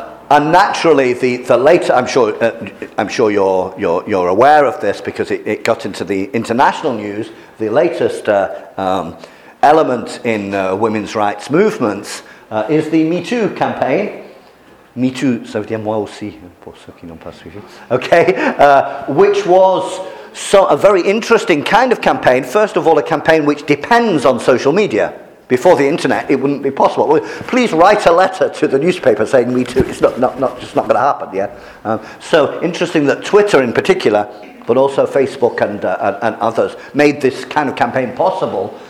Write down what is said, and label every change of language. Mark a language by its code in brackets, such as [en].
[en] And naturally, the later, I'm sure you're aware of this because it got into the international news. The latest element in women's rights movements is the Me Too campaign. [fr] Me Too, ça veut dire moi aussi, pour ceux qui n'ont pas suivi. [en] Okay, which was a very interesting kind of campaign. First of all, a campaign which depends on social media. Before the internet, it wouldn't be possible. Please write a letter to the newspaper saying Me Too. It's not going to happen, yeah? So interesting that Twitter in particular, but also Facebook and others, made this kind of campaign possible.